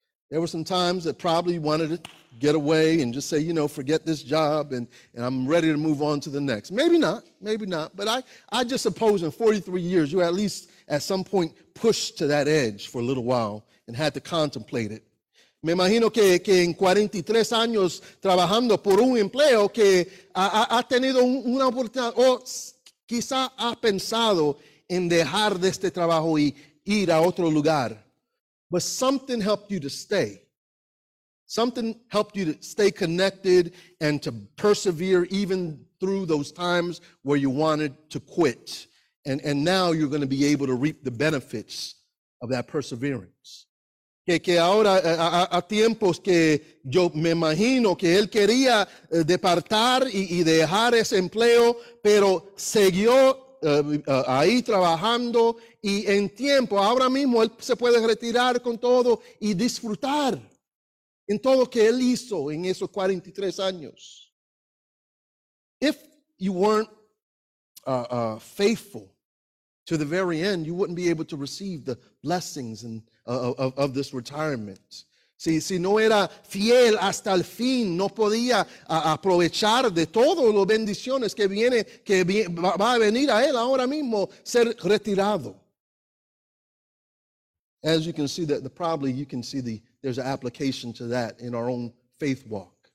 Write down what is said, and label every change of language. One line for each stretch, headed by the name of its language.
English: There were some times that probably you wanted to get away and just say, you know, forget this job and I'm ready to move on to the next. Maybe not. But I just suppose in 43 years, you at least at some point pushed to that edge for a little while and had to contemplate it.
Spanish: Me imagino que en 43 años trabajando por un empleo que ha tenido una oportunidad. Quizá ha pensado en dejar de este trabajo y ir a otro lugar.
English: But something helped you to stay. Something helped you to stay connected and to persevere even through those times where you wanted to quit. And now you're going to be able to reap the benefits of that perseverance.
Spanish: Que ahora a tiempos que yo me imagino que él quería departar y dejar ese empleo, pero siguió ahí trabajando y en tiempo, ahora mismo él se puede retirar con todo y disfrutar en todo lo que él hizo en esos 43 años.
English: If you weren't faithful to the very end, you wouldn't be able to receive the blessings and of this retirement.
Spanish: Si no era fiel hasta el fin, no podía aprovechar de todas las bendiciones que va a venir a él ahora mismo ser retirado.
English: As you can see, there's an application to that in our own faith walk.